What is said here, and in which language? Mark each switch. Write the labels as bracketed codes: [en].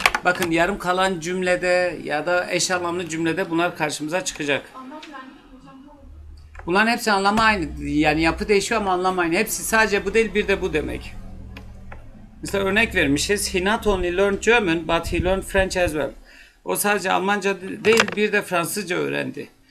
[tr] Bakın yarım kalan cümlede ya da eş anlamlı cümlede bunlar karşımıza çıkacak. Bunların hepsi anlamı aynı. Yani yapı değişiyor ama anlamı aynı. Hepsi sadece bu değil, bir de bu demek. Mesela örnek vermişiz. [en] He not only learned German but he learned French as well. [tr] O sadece Almanca değil bir de Fransızca öğrendi.